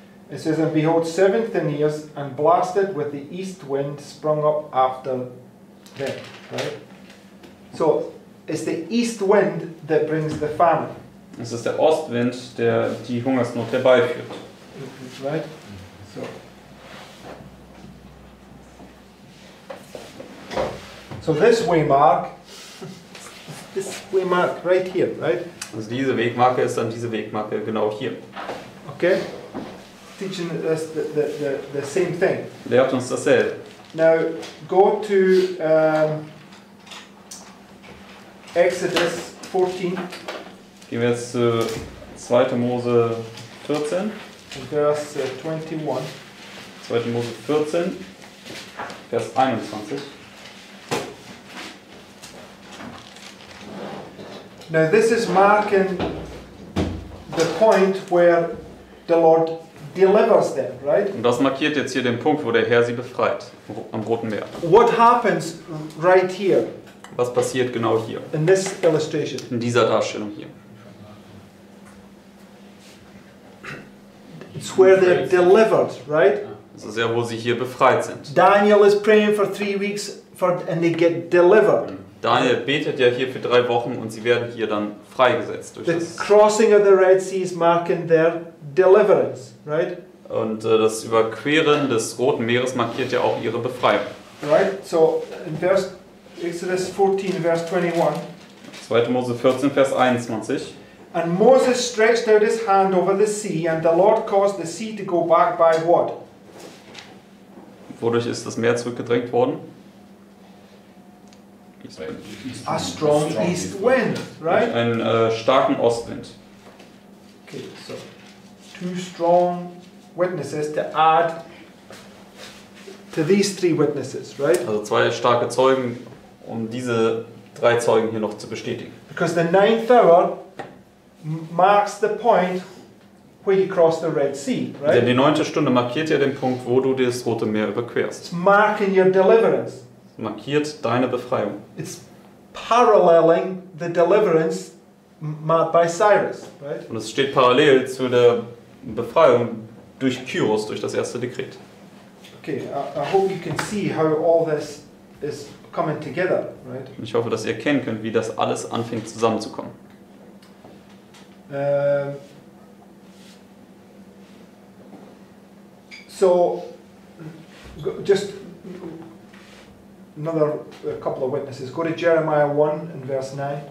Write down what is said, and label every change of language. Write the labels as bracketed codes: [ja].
[en] It says, and behold, 7th in years, and blasted with the east wind, sprung up after them, right? So, it's the east wind that brings the famine. [de] Es ist der Ostwind, der die Hungersnot herbeiführt. [en] Right? So. So this waymark, this waymark right here, right? [de] Also diese Wegmarke ist dann diese Wegmarke genau hier. [en] Okay. Teaching us the same thing. [de] Lehrt uns dasselbe. [en] Now go to Exodus 14. [de] Gehen wir jetzt zu 2. Mose 14. [en] Verse 21. [de] 2. Mose 14, Vers 21. [en] Now this is marking the point where the Lord delivers them, right? [de] Und das markiert jetzt hier den Punkt, wo der Herr sie befreit, am Roten Meer. [en] What happens right here? [de] Was passiert genau hier? [en] In this illustration. [de] In dieser Darstellung hier. [en] It's where they're delivered, right? [de] Das ist ja, wo sie hier befreit sind. [en] Daniel is praying for 3 weeks for and they get delivered. [de] Daniel betet ja hier für 3 Wochen und sie werden hier dann freigesetzt durch [en] the crossing of the Red Sea is marking their deliverance, right? [de] Und das Überqueren des Roten Meeres markiert ja auch ihre Befreiung. [en] Right? So in Exodus 14 verse 21. [de] 2. Mose 14 Vers 21. [en] And Moses stretched out his hand over the sea and the Lord caused the sea to go back by what? [de] Wodurch ist das Meer zurückgedrängt worden? [en] A strong east wind, right? [de] Ein starken Ostwind. [en] Okay, so two strong witnesses to add to these 3 witnesses, right? [de] Also 2 starke Zeugen, um diese 3 Zeugen hier noch zu bestätigen. [en] Because the ninth hour marks the point where you cross the Red Sea, right? [de] Denn die 9. Stunde markiert ja den Punkt, wo du das Rote Meer überquerst. [en] It's marking your deliverance. [de] Markiert deine Befreiung. [en] It's paralleling the deliverance marked by Cyrus, right? [de] Und es steht parallel zu der Befreiung durch Kyros, durch das erste Dekret. [en] Okay, I hope you can see how all this is coming together, right? [de] Und ich hoffe, dass ihr erkennen könnt, wie das alles anfängt zusammenzukommen. [en] So, just another couple of witnesses. Go to Jeremiah 1 and verse 9.